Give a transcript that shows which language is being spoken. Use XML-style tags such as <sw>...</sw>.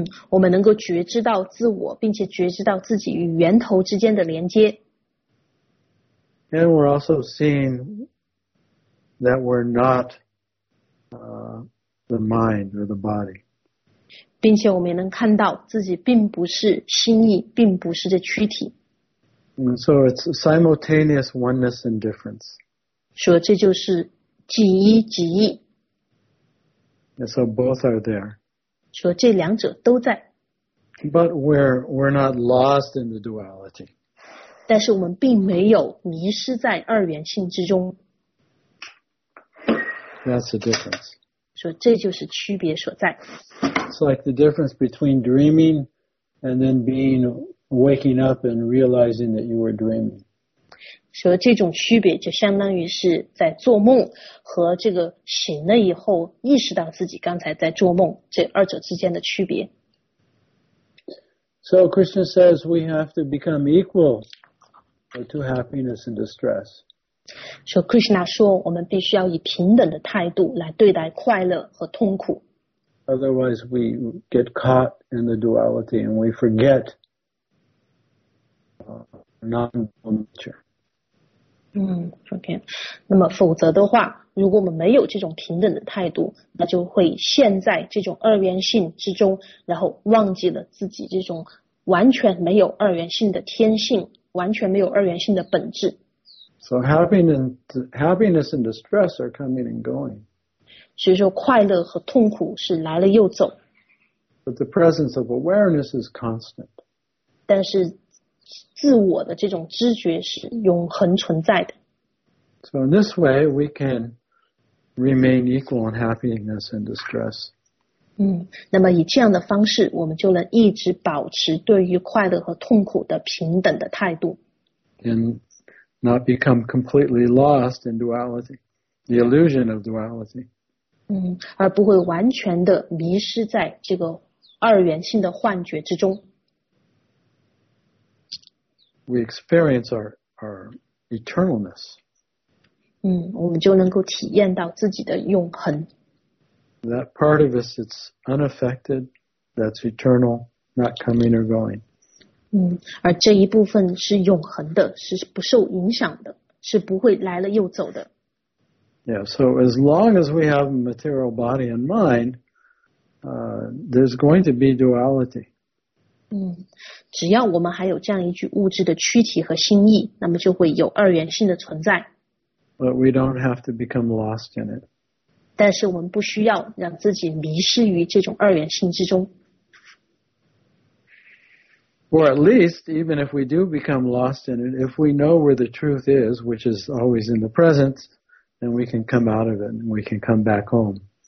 <zh>我们能够觉知到自我，并且觉知到自己与源头之间的连接。</zh> <en>And we're also seeing that we're not the mind or the body.</en> <zh>并且我们也能看到自己并不是心意，并不是这躯体。</zh> <en>And so it's simultaneous oneness and difference.</en> <zh>说这就是即一即一。</zh> <en>And so both are there.</en> <zh>说这两者都在。</zh> <en>But we're not lost in the duality.</en> <zh>但是我们并没有迷失在二元性之中。</zh> <en>That's the difference.</en> <zh>说这就是区别所在。</zh> <en>It's like the difference between dreaming and then being waking up and realizing that you were dreaming.</en> <zh>说这种区别就相当于是在做梦和这个醒了以后意识到自己刚才在做梦，这二者之间的区别。</zh> <en>So Krishna says we have to become equal to happiness and distress.</en> <zh>说 Krishna 说我们必须要以平等的态度来对待快乐和痛苦。</zh> <en>Otherwise we get caught in the duality and we forget Okay.</en> <zh>那么否则的话，如果我们没有这种平等的态度，那就会陷在这种二元性之中，然后忘记了自己这种完全没有二元性的天性，完全没有二元性的本质。</zh> <en>So happiness and distress are coming and going.</en> <zh>所以说快乐和痛苦是来了又走。</zh> <en>But the presence of awareness is constant.</en> <zh>但是自我的这种知觉是永恒存在的。</zh> <en>So in this way, we can remain equal in happiness and distress.</en> <zh>那么以这样的方式，我们就能一直保持对于快乐和痛苦的平等的态度。</zh> <en>And not become completely lost in duality, the illusion of duality.</en> <zh>而不会完全的迷失在这个二元性的幻觉之中。</zh> <en>We experience our eternalness.</en> <zh>我们就能够体验到自己的永恒。</zh> <en>That part of us that's unaffected, that's eternal, not coming or going.</en> <zh>而这一部分是永恒的，是不受影响的，是不会来了又走的。</zh> <en>Yeah, so as long as we have a material body and mind, there's going to be duality.</en> <zh>只要我们还有这样一具物质的躯体和心意，那么就会有二元性的存在。</zh> <en>But we don't have to become lost in it.</en> <zh>但是我们不需要让自己迷失于这种二元性之中。</zh> <en>Or at least, even if we do become lost in it, if we know where the truth is, which is always in the present, then we can come out of it and we can come back home.</en>